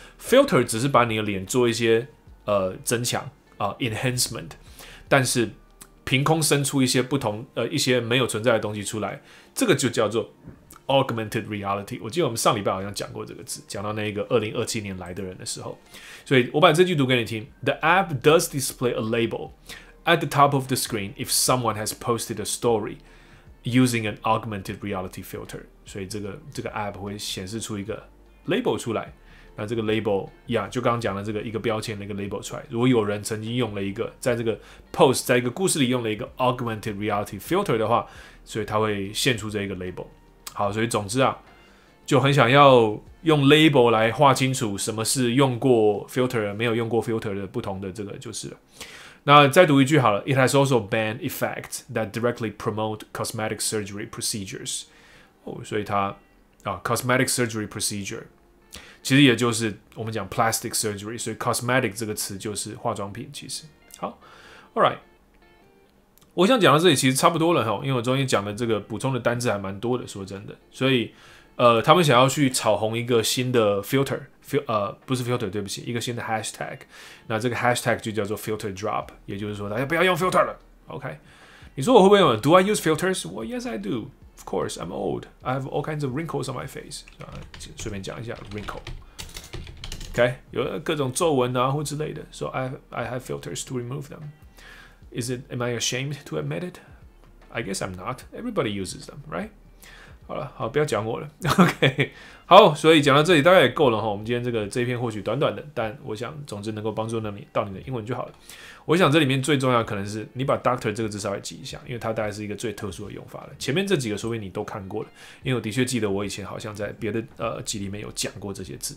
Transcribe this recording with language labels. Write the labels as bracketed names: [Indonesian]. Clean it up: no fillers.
[Chinese] Filter 只是把你的脸做一些增强enhancement， 但是凭空生出一些不同一些没有存在的东西出来，这个就叫做 augmented reality。我记得我们上礼拜好像讲过这个字，讲到那个2027年来的人的时候。所以我把这句读给你听。 [English] The app does display a label at the top of the screen if someone has posted a story using an augmented reality filter。 [Chinese] 所以这个 app 会显示出一个 label 出来，那这个 label 呀、yeah, 就刚刚讲的这个一个标签的一个 label 出来，如果有人曾经用了一个在这个 post 在一个故事里用了一个 augmented reality filter 的话，所以它会现出这个 label。好，所以总之啊，就很想要用 label 来划清楚什么是用过 filter 没有用过 filter 的不同的这个就是了。那再读一句好了。 [English] It has also banned effects that directly promote cosmetic surgery procedures。 [Chinese] 哦，所以它啊 cosmetic surgery procedure其实也就是我们讲 plastic surgery， 所以 cosmetic 这个词就是化妆品。其实好 ， [English] all right， [Chinese] 我想讲到这里其实差不多了哈，因为我中间讲的这个补充的单字还蛮多的，说真的。所以他们想要去炒红一个新的 filter， 不是 filter， 对不起，一个新的 hashtag。那这个 hashtag 就叫做 filter drop， 也就是说大家不要用 filter 了。 OK， 你说我会不会用 ？ [English] Do I use filters？ Well， yes， I do。 Of course, I'm old. I have all kinds of wrinkles on my face. [Chinese] 顺便讲一下 wrinkle. Okay, 有各种皱纹啊或之类的。 [English] So I have filters to remove them. Is it? Am I ashamed to admit it? I guess I'm not. Everybody uses them, right? [Chinese] 好了，好，不要讲我了。 Okay, 好，所以讲到这里大概也够了哈。我们今天这一篇或许短短的，但我想总之能够帮助到你的英文就好了。我想这里面最重要的可能是你把 doctor 这个字稍微记一下，因为它大概是一个最特殊的用法了。前面这几个说明你都看过了，因为我的确记得我以前好像在别的集里面有讲过这些字。